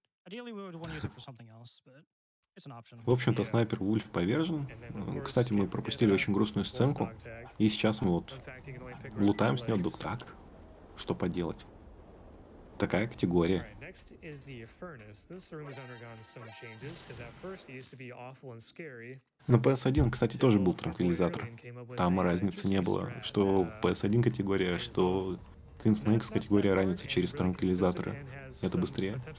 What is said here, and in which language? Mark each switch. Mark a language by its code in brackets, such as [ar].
[ru] В общем-то, снайпер Вульф повержен. Кстати, мы пропустили очень грустную сценку, и сейчас мы вот лутаем с него, так, что поделать. Такая категория. [en] Next is the furnace. This room has undergone some changes because at first it used to be awful and scary. [ru] На PS1, кстати, тоже был транквилизатор. Там разницы не было, что PS1 категория, что Twin Snakes категория ранится через транквилизаторы. Это быстрее.